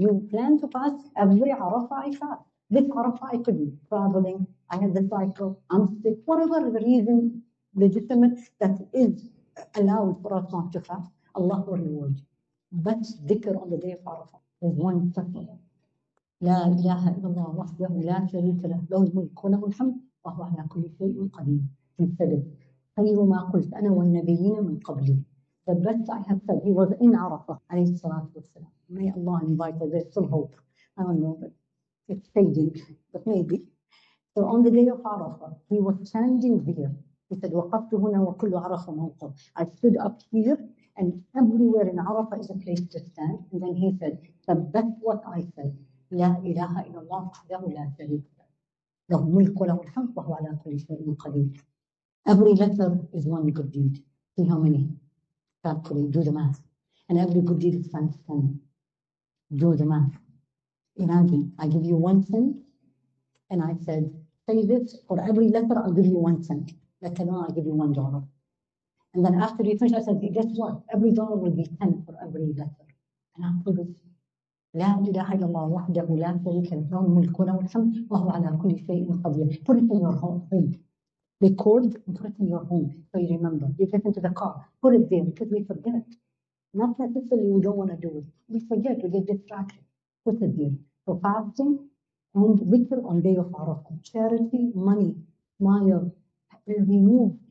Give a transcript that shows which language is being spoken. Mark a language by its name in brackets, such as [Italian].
[English] You plan to fast every Arafah I fast. This Arafah I couldn't. Traveling, I had the cycle, I'm sick, whatever the reason, legitimate, that is allowed for us not to fast, Allah will reward you. But dhikr on the day of Arafah is one second. [Arabic] لا إله إلا الله وحده لا شريك له له الملك وله الحمد وهو على كل شيء قدير في السلف خير ما قلت أنا والنبيين من قبلي. [English] The best I have said, he was in Arafah [Arabic] عليه الصلاة والسلام. [English] May Allah invite us, there's some hope. I don't know, but it's fading, but maybe. So on the day of Arafah, he was standing there. He said, [Arabic] وقفت هنا وكل عرفة موقف. [English] I stood up here and everywhere in Arafah is a place to stand. And then he said, [Arabic] ثبت [English] what I said. [Arabic] لا إله إلا الله وحده لا شريك له. له الملك وله الحمد وهو على كل شيء قدير. [English] Every letter is one good deed. See how many? Carefully, do the math. And every good deed is 10. Do the math. Imagine, I give you 1 cent, and I said, say this, for every letter, I'll give you 1 cent. Let alone, I'll give you $1. And then after you finish, I said, guess what? Every dollar will be 10 for every letter. And after this, [Arabic] لا إله إلا الله وحده لا شريك له الملك وله الحمد وهو على كل شيء قدير. [English] Put it in your heart. Record and put it in your home so you remember. You get into the car, put it there because we forget. Not necessarily we don't want to do it. We forget, we get distracted. Put it there. So fasting and dhikr on day of Arafah. Charity, money, smile, remove.